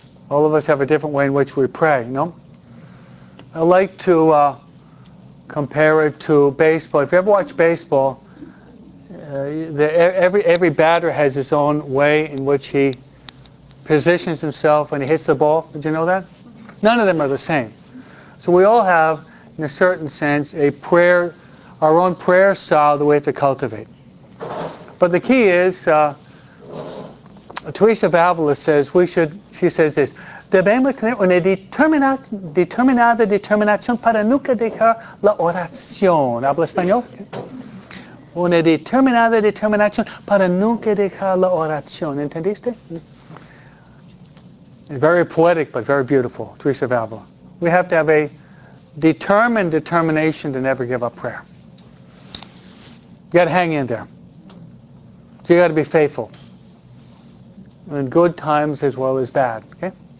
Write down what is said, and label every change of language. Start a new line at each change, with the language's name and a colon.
English: All of us have a different way in which we pray, you know? I like to compare it to baseball. If you ever watch baseball, every batter has his own way in which he positions himself when he hits the ball. Did you know that? None of them are the same. So we all have, in a certain sense, our own prayer style that we have to cultivate. But the key is, Teresa of Avila says, she says this,
Spanish: debemos tener una determinada determinación para nunca dejar la oración. ¿Habla español? Una determinada determinación para nunca dejar la oración. ¿Entendiste?
English: Very poetic, but very beautiful. Teresa of Avila. We have to have a determined determination to never give up prayer. You got to hang in there. So you got to be faithful. In good times as well as bad. Okay?